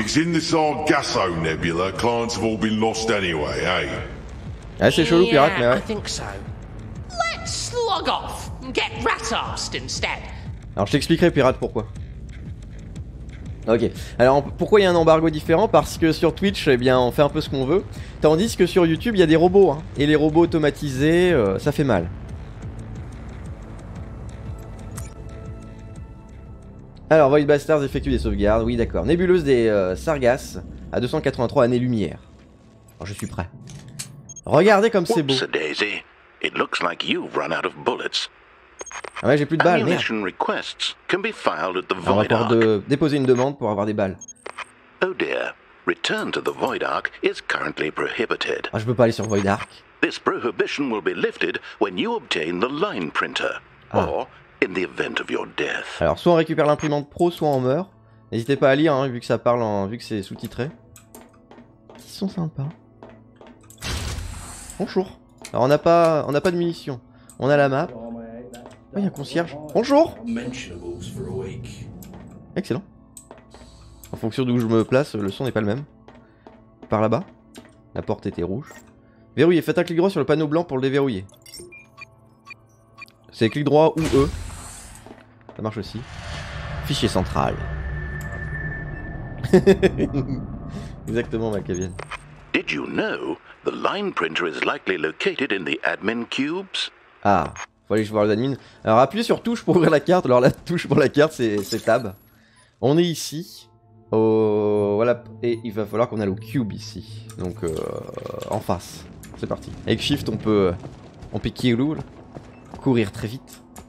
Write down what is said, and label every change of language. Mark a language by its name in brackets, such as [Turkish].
[English] If it's in the Sargasso Nebula, clients have all been lost anyway, eh? [French] Ah, c'est chelou, pirate, mais [English] ouais. I think so. Let's slog off and get rat-arsed instead. [French] Alors, je t'expliquerai, pirate, pourquoi. Ok, alors pourquoi il y a un embargo différent? Parce que sur Twitch, eh bien, on fait un peu ce qu'on veut. Tandis que sur YouTube, il y a des robots, hein. Et les robots automatisés, ça fait mal. Alors, Void Bastards effectue des sauvegardes. Oui, d'accord. Nébuleuse des Sargasses à 283 années-lumière. Alors, je suis prêt. Regardez comme c'est beau. [English] Oops, Daisy. It looks like you've run out of bullets. [French] Ah ouais, j'ai plus de balles, merde. [English] Ammunition requests can be filed at the Void Arc. [French] Alors, on va pouvoir déposer une demande pour avoir des balles. [English] Oh dear. Return to the Void Arc is currently prohibited. [French] Ah, je peux pas aller sur Void Arc. [English] This prohibition will be lifted when you obtain the line printer. Or in the event of your death. [French] Alors, soit on récupère l'imprimante pro, soit on meurt. N'hésitez pas à lire, hein, vu que ça parle, vu que c'est sous-titré. Ils sont sympas. Bonjour. Alors, on n'a pas de munitions. On a la map. Oh, il y a un concierge. Bonjour. Excellent. En fonction d'où je me place, le son n'est pas le même. Par là-bas. La porte était rouge. Verrouillez. Faites un clic droit sur le panneau blanc pour le déverrouiller. C'est clic droit ou E. Ça marche aussi. Fichier central. Exactement, Macavian. [English] Did you know the line printer is likely located in the admin cubes? [French] Ah, faut aller voir les admins. Alors appuyez sur touche pour ouvrir la carte. Alors la touche pour la carte, c'est tab. On est ici. Oh, voilà. Et il va falloir qu'on aille au cube ici. Donc en face. C'est parti. Avec shift, on peut qui roule, courir très vite.